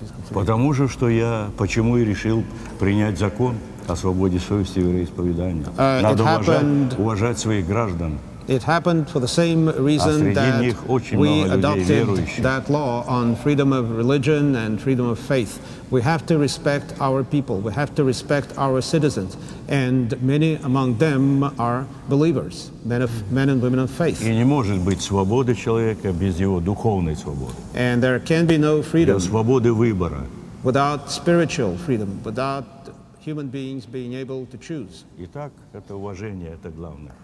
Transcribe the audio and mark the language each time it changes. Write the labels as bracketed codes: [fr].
[ru] Потому же, что я почему и решил принять закон о свободе совести и вероисповедания. Надо уважать своих граждан. [en] It happened for the same reason that we adopted that law on freedom of religion and freedom of faith. We have to respect our people, we have to respect our citizens, and many among them are believers, men and women of faith. [ru] И не может быть свободы человека без его духовной свободы. [en] And there can be no freedom [ru] без свободы выбора. [en] Without spiritual freedom, without human beings being able to choose. [ru] Итак, это уважение, это главное.